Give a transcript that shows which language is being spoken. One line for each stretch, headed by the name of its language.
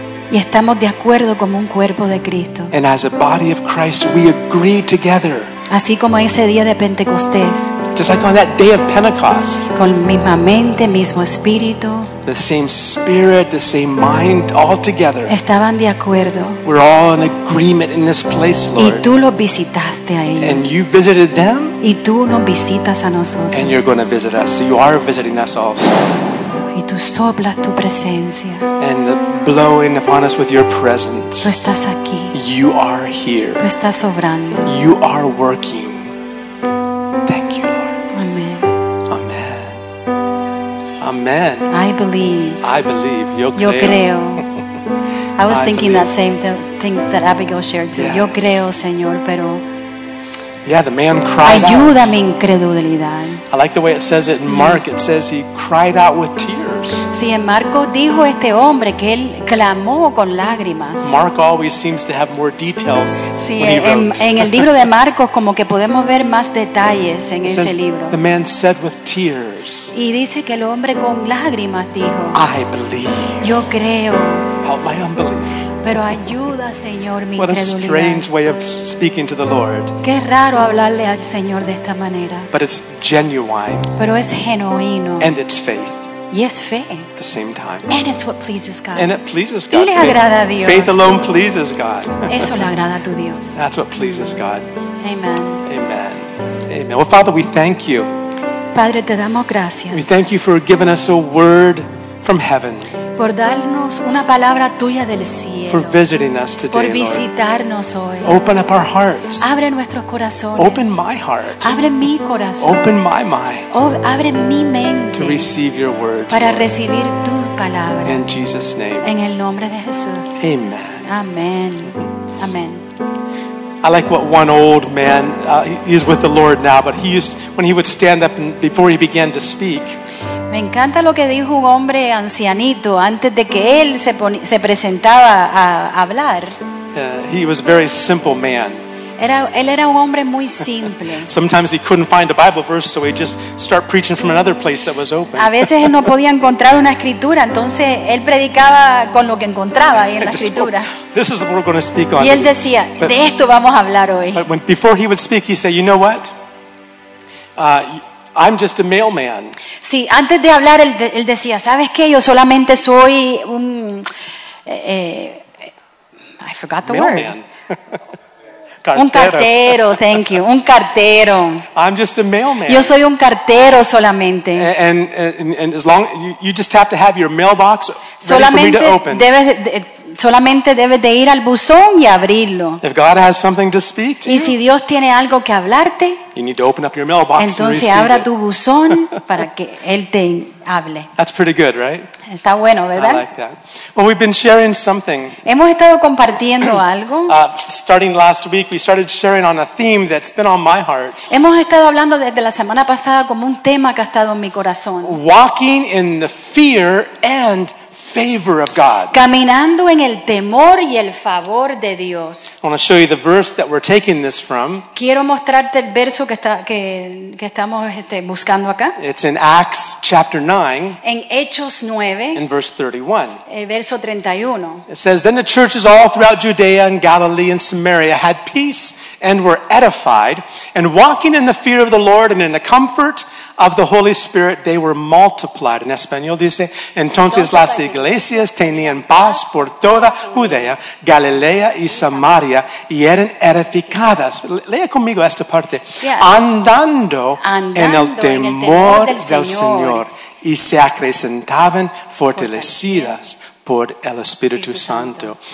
Spanish: Y estamos de acuerdo como un cuerpo de Cristo.
English: And as a body of Christ, we agree together.
Spanish: Así como ese día de Pentecostés.
English: Just like on that day of Pentecost.
Spanish: Con misma mente, mismo espíritu.
English: The same spirit, the same mind, all together.
Spanish: Estaban de acuerdo.
English: We're all in agreement in this place, Lord.
Spanish: Y tú los visitaste a ellos.
English: And you visited them.
Spanish: Y tú nos visitas a nosotros.
English: And you're going to visit us. You are visiting us also.
Spanish: Y tú soplas tu presencia.
English: And blowing upon us with your presence.
Spanish: Tú estás aquí.
English: You are here.
Spanish: Tú estás obrando.
English: You are working. Thank you, Lord. Amen. Amen. Amen. I believe. I believe.
Spanish: Yo creo. Yo creo.
English: I was thinking that same thing that Abigail shared too. Yes.
Spanish: Yo creo, Señor, pero.
English: Yeah, the man cried
Spanish: ayuda
English: out.
Spanish: Mi incredulidad.
English: I like the way it says it in Mark. It says he cried out with tears.
Spanish: Sí, en Marcos dijo este hombre que él clamó con lágrimas.
English: Mark always seems to have more details.
Spanish: Sí,
English: when he
Spanish: en el libro de Marcos como que podemos ver más detalles en
English: it
Spanish: ese
English: says,
Spanish: libro.
English: The man said with tears.
Spanish: Y dice que el hombre con lágrimas dijo.
English: I believe.
Spanish: Yo creo.
English: Help my unbelief.
Spanish: Pero ayuda, Señor, mi incredulidad.
English: What a strange way of speaking to the Lord.
Spanish: Qué raro hablarle al Señor de esta manera.
English: But it's genuine.
Spanish: Pero es genuino.
English: And it's faith.
Spanish: Y es fe.
English: At the same time. And it's what pleases God. And it pleases God.
Spanish: Y le agrada a Dios.
English: Faith alone pleases God.
Spanish: Eso le agrada a tu Dios.
English: That's what pleases God. Amen. Amen. Amen. Well, Father, we thank you.
Spanish: Padre, te damos gracias.
English: We thank you for giving us a word from heaven.
Spanish: Por darnos una palabra tuya del cielo.
English: For visiting us today,
Spanish: por visitarnos hoy.
English: Open up our hearts.
Spanish: Abre nuestros corazones.
English: Open my heart.
Spanish: Abre mi corazón.
English: Open my mind.
Spanish: Abre mi mente.
English: To receive your words.
Spanish: Para recibir tu palabra.
English: In Jesus' name.
Spanish: En el nombre de Jesús.
English: Amen. Amen. Amen. I like what one old man, he's with the Lord now, but when he would stand up and before he began to speak.
Spanish: Me encanta lo que dijo un hombre ancianito antes de que él se presentaba a hablar.
English: He was a very simple man.
Spanish: Él era un hombre muy simple.
English: Sometimes he couldn't find a Bible verse, so he just start preaching from another place that was open.
Spanish: A veces él no podía encontrar una escritura, entonces él predicaba con lo que encontraba ahí en la escritura.
English: This is what we're going to speak on.
Spanish: Y él decía, de esto vamos a hablar hoy.
English: But when, before he would speak, he said, "You know what? I'm just a mailman."
Spanish: Sí, antes de hablar él decía, "¿Sabes qué? Yo solamente soy un
English: I forgot the mailman. Word.
Spanish: Un cartero,
English: thank you,
Spanish: un cartero.
English: I'm just a mailman.
Spanish: Yo soy un cartero solamente.
English: And as long you just have to have your mailbox
Spanish: solamente
English: ready for me to open.
Spanish: Solamente debes de ir al buzón y abrirlo.
English: If God has something to speak to
Spanish: y si Dios tiene algo que hablarte,
English: you need to open up your mailbox.
Spanish: Entonces abra tu buzón para que él te hable.
English: That's pretty good, right?
Spanish: Está bueno, ¿verdad?
English: I like that. Well, we've been sharing something.
Spanish: Hemos estado compartiendo algo.
English: Starting last week, we started sharing on a theme that's been on my heart.
Spanish: Hemos estado hablando desde la semana pasada como un tema que ha estado en mi corazón.
English: Walking in the fear and favor of God.
Spanish: Caminando en el temor y el favor de Dios.
English: I want to show you the verse that we're taking this from.
Spanish: Quiero mostrarte el verso que estamos buscando acá.
English: It's in Acts chapter 9.
Spanish: En Hechos 9.
English: In verse 31.
Spanish: El verso 31.
English: It says, "Then the churches all throughout Judea and Galilee and Samaria had peace and were edified, and walking in the fear of the Lord and in the comfort of the Holy Spirit, they were multiplied."
Spanish: En español dice, "Entonces las iglesias tenían paz por toda Judea, Galilea y Samaria, y eran edificadas." Lea conmigo esta parte.
English: Yeah.
Spanish: Andando en el temor del Señor, y se acrecentaban fortalecidas por el Espíritu Santo.